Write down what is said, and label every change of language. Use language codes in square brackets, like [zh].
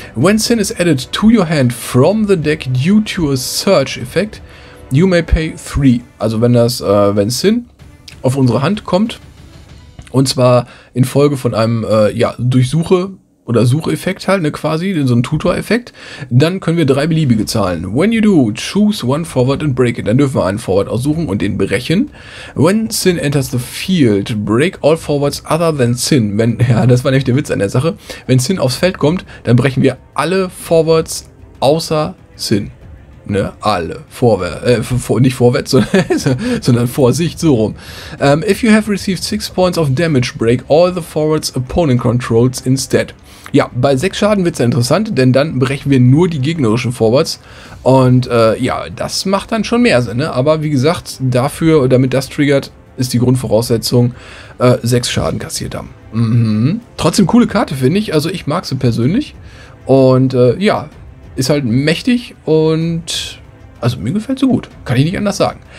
[en] When Sin is added to your hand from the deck due to a search effect, you may pay 3. [de] Also wenn das, wenn Sin auf unsere Hand kommt, und zwar infolge von einem, Durchsuche- oder Sucheffekt halt, ne, quasi, so ein Tutor-Effekt, dann können wir 3 beliebige zahlen. [en] When you do, choose one forward and break it. [de] Dann dürfen wir einen Forward aussuchen und den brechen. [en] When Sin enters the field, break all forwards other than Sin. [de] Wenn, ja, das war nämlich der Witz an der Sache. Wenn Sin aufs Feld kommt, dann brechen wir alle Forwards außer Sin. Ne, alle. Sondern Vorsicht, so rum. [en] If you have received 6 points of damage, break all the forwards opponent controls instead. [de] Ja, bei 6 Schaden wird es ja interessant, denn dann brechen wir nur die gegnerischen Forwards. Und ja, das macht dann schon mehr Sinn, ne? Aber wie gesagt, dafür, damit das triggert, ist die Grundvoraussetzung, 6 Schaden kassiert haben. Mhm. Trotzdem coole Karte, finde ich. Also ich mag sie persönlich. Und ja, ist halt mächtig und also mir gefällt sie gut. Kann ich nicht anders sagen.